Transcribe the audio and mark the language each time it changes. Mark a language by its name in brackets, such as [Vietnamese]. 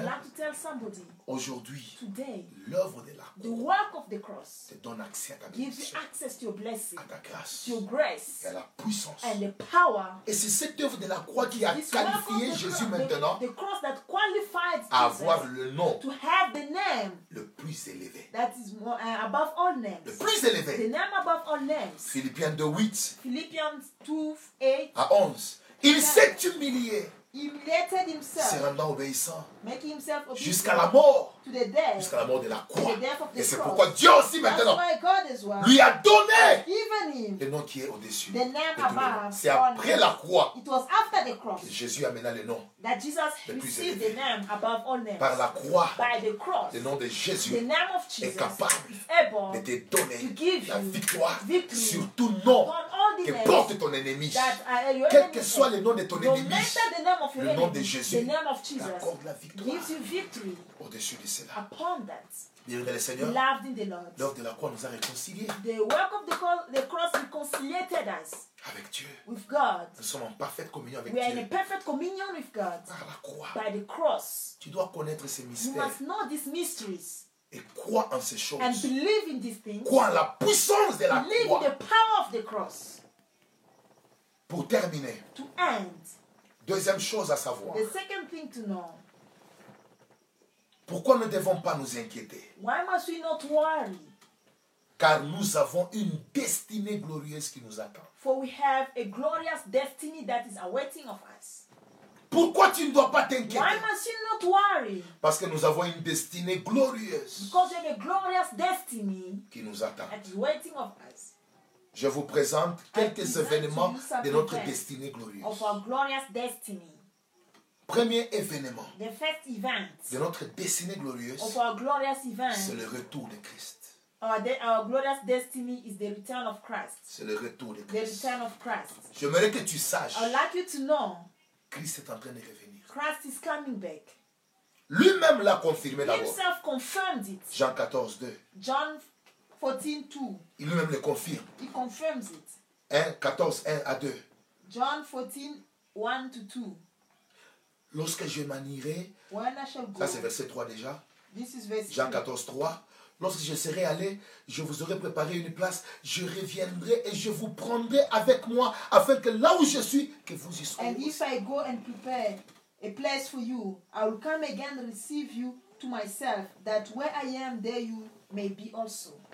[English] I'd like to tell somebody. [French] Aujourd'hui, [English] today, [French] l'œuvre de la croix, [English] the work of the cross, [French] te donne accès à ta [English] gives [French] bénédiction. [English] Gives access to your blessing. [French] À ta grâce. [English] To your grace. [French] Et à la puissance. [English] And the power. [French] Et c'est cette œuvre de la croix qui a qualifié Jésus maintenant. [English] The cross that qualifies [French] à avoir le nom. [English] To have the name. [French] Le plus élevé. [English] That is more. Above all names. [French] Le plus élevé. [English] The name above all names. [French] Philippiens 2:8. [English] Philippians 2:8. [French] À 11. Il s'est humilié. [English] Humiliated himself. [French] Se rendant obéissant. [English] Making himself obedient. [French] Jusqu'à la mort. [English] To the death. [French] Jusqu'à la mort de la croix. [English] To the death of the [French] et c'est [English] cross. [French] Pourquoi Dieu aussi maintenant. [English] That's why God as well. [French] Lui a donné. [English] Even him. [French] Le nom qui est au-dessus. [English] The name above. Le [French] c'est après la croix. [English] It was after the cross. [French] Que Jésus amena le nom. [English] That Jesus [French] le plus [English] received [French] élevé. [English] The name above all names. [French] Par la croix. [English] By the cross. [French] Le nom de Jésus. [English] The name of Jesus. [French] Est capable. [English] Is able. [French] De te donner. [English] To give [French] la victoire. [English] Victory. [French] Sur tout nom. Que porte ton ennemi. [English] That your [French] quel que soit le nom de ton ennemi. [English] The name of [French] le nom de Jésus, [English] the name of Jesus, [French] accorde la victoire, [English] gives you victory [French] au-dessus de cela. [English] Upon that, [French] bien-aimé le Seigneur, [English] loved in the Lord, [French] l'œuvre de la croix nous a réconciliés. [English] The work of the cross reconciliated us [French] avec Dieu. [English] With God, [French] nous sommes en parfaite communion avec [English] we [French] Dieu. [English] We are in a perfect communion with God. [French] Par la croix, [English] by the cross, [French] tu dois connaître ces mystères. [English] You must know these mysteries. [French] Et crois en ces choses. [English] And believe in these things. [French] Crois en la puissance de la [English] believe [French] croix. [English] Believe in the power of the cross. [French] Pour terminer. [English] To end. [French] Deuxième chose à savoir. [English] The second thing to know. [French] Pourquoi ne devons pas nous inquiéter? [English] Why must we not worry? [French] Car nous avons une destinée glorieuse qui nous attend. [English] For we have a glorious destiny that is awaiting of us. [French] Pourquoi tu ne dois pas t'inquiéter? [English] Why must you not worry? [French] Parce que nous avons une destinée glorieuse. [English] Because we have a glorious destiny [French] qui nous attend. [English] That is waiting of us. [French] Je vous présente quelques événements de notre destinée glorieuse. [English] Of our glorious destiny. [French] Premier événement. [English] The first event. [French] De notre destinée glorieuse. [English] Of our glorious event. [French] C'est le retour de Christ. [English] Our glorious destiny is the return of Christ. [French] C'est le retour de Christ. [English] The return of Christ. [French] J'aimerais que tu saches. [English] I'd like you to know. [French] Christ est en train de revenir. [English] Christ is coming back. [French] Lui-même l'a confirmé d'abord. [English] Himself confirmed it. [French] Jean 14, 2. [English] John 14, 2. [French] Il lui-même le confirme. [English] He confirms it. [French] 1, 14, 1 à 2. [English] John 14, 1 to 2. [French] Lorsque je m'en irai. [English] When I shall go. [French] Ça c'est verset 3 déjà. [English] This is verse 3. [French] Jean 14, 3. Lorsque je serai allé, je vous aurai préparé une place. Je reviendrai et je vous prendrai avec moi afin que là où je suis, que vous y soyez. [English] And if I go and prepare a place for you, I will come again and receive you to myself, that where I am, there you may be also.